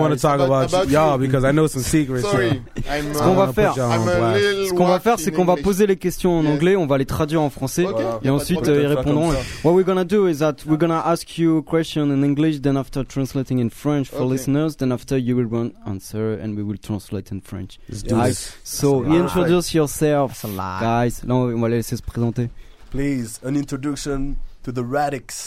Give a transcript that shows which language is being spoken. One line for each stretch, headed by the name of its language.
English: Want to talk about y'all because I know some secrets. Sorry, yeah.
French: Ce qu'on va faire, c'est qu'on va poser les questions en anglais, on va les traduire en français,
English: okay.
French: Et ensuite ils répondront.
English: What we're gonna do is that we're gonna ask you a question in English, then after translating in French for listeners, then after you will answer and we will translate in French. Let's do this. So introduce yourself, guys.
French: Là, on va les laisser se présenter.
English: Please, an introduction to the Radix.